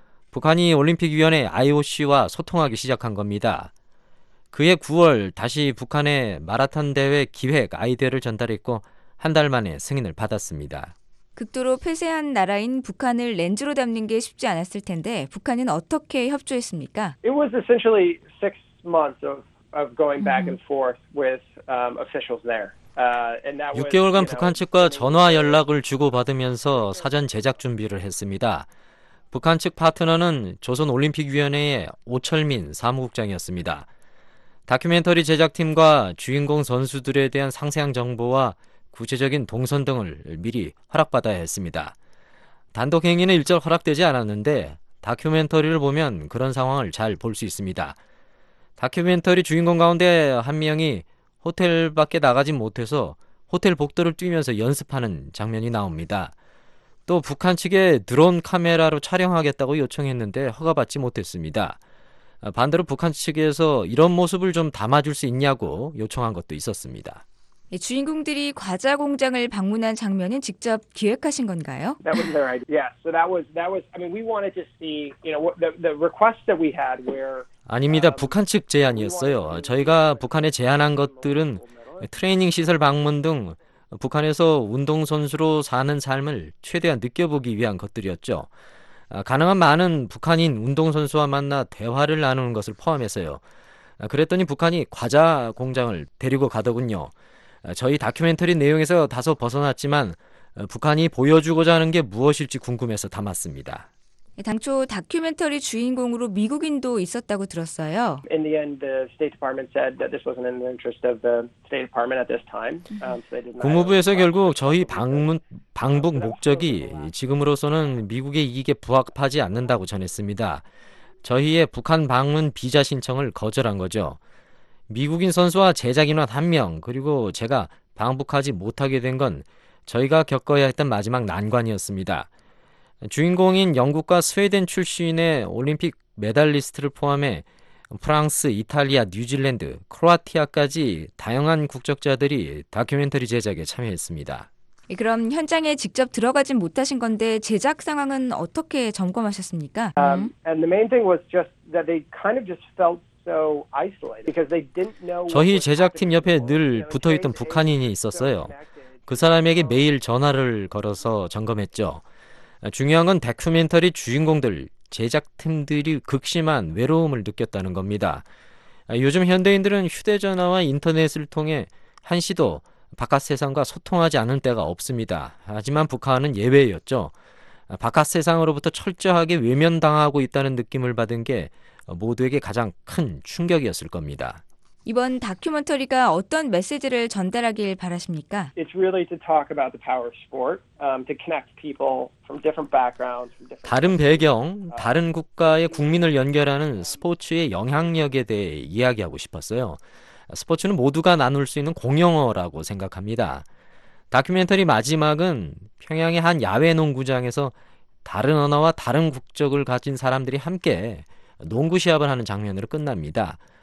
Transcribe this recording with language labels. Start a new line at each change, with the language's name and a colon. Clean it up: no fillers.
Korean: 북한이 올림픽위원회 IOC와 소통하기 시작한 겁니다. 그해 9월 다시 북한에 마라톤 대회 기획 아이디어를 전달했고 한 달 만에 승인을 받았습니다. 극도로 폐쇄한 나라인 북한을 렌즈로 담는 게 쉽지 않았을 텐데 북한은 어떻게 협조했습니까?
English: It was essentially six months of going back and forth with officials there.
Korean: 6개월간 북한 측과 전화 연락을 주고받으면서 사전 제작 준비를 했습니다. 북한 측 파트너는 조선올림픽위원회의 오철민 사무국장이었습니다. 다큐멘터리 제작팀과 주인공 선수들에 대한 상세한 정보와 구체적인 동선 등을 미리 허락받아야 했습니다. 단독 행위는 일절 허락되지 않았는데 다큐멘터리를 보면 그런 상황을 잘 볼 수 있습니다. 다큐멘터리 주인공 가운데 한 명이 호텔 밖에 나가지 못해서 호텔 복도를 뛰면서 연습하는 장면이 나옵니다. 또 북한 측에 드론 카메라로 촬영하겠다고 요청했는데 허가받지 못했습니다. 반대로 북한 측에서 이런 모습을 좀 담아줄 수 있냐고 요청한 것도 있었습니다. 주인공들이 과자 공장을 방문한 장면은 직접 기획하신 건가요?
English: That was their idea. Yeah, so that was. I mean, we wanted to see, you know, the requests that we had were.
Korean: 아닙니다. 북한 측 제안이었어요. 저희가 북한에 제안한 것들은 트레이닝 시설 방문 등 북한에서 운동선수로 사는 삶을 최대한 느껴보기 위한 것들이었죠. 가능한 많은 북한인 운동선수와 만나 대화를 나누는 것을 포함해서요. 그랬더니 북한이 과자 공장을 데리고 가더군요. 저희 다큐멘터리 내용에서 다소 벗어났지만 북한이 보여주고자 하는 게 무엇일지 궁금해서 담았습니다. 당초 다큐멘터리 주인공으로 미국인도 있었다고 들었어요.
English: In the end, the State Department said that this wasn't in the interest of the State Department at this time.
Korean: 국무부에서 결국 저희 방북 목적이 지금으로서는 미국의 이익에 부합하지 않는다고 전했습니다. 저희의 북한 방문 비자 신청을 거절한 거죠. 미국인 선수와 제작인원 한 명 그리고 제가 방북하지 못하게 된 건 저희가 겪어야 했던 마지막 난관이었습니다. 주인공인 영국과 스웨덴 출신의 올림픽 메달리스트를 포함해 프랑스, 이탈리아, 뉴질랜드, 크로아티아까지 다양한 국적자들이 다큐멘터리 제작에 참여했습니다. 그럼 현장에 직접 들어가진 못하신 건데 제작 상황은 어떻게 점검하셨습니까?
English: And the main thing was just that they kind of just felt so isolated because they didn't know.
Korean: 저희 제작팀 옆에 늘 붙어있던 북한인이 있었어요. 그 사람에게 매일 전화를 걸어서 점검했죠. 중요한 건 다큐멘터리 주인공들, 제작팀들이 극심한 외로움을 느꼈다는 겁니다. 요즘 현대인들은 휴대전화와 인터넷을 통해 한시도 바깥 세상과 소통하지 않을 때가 없습니다. 하지만 북한은 예외였죠. 바깥 세상으로부터 철저하게 외면당하고 있다는 느낌을 받은 게 모두에게 가장 큰 충격이었을 겁니다. 이번 다큐멘터리가 어떤 메시지를 전달하길 바라십니까?
English: It's really to talk about the power of sport, to connect people from different backgrounds, from different
Korean: 다른 배경, 다른 국가의 국민을 연결하는 스포츠의 영향력에 대해 이야기하고 싶었어요. 스포츠는 모두가 나눌 수 있는 공용어라고 생각합니다. 다큐멘터리 마지막은 평양의 한 야외 농구장에서 다른 언어와 다른 국적을 가진 사람들이 함께 농구 시합을 하는 장면으로 끝납니다.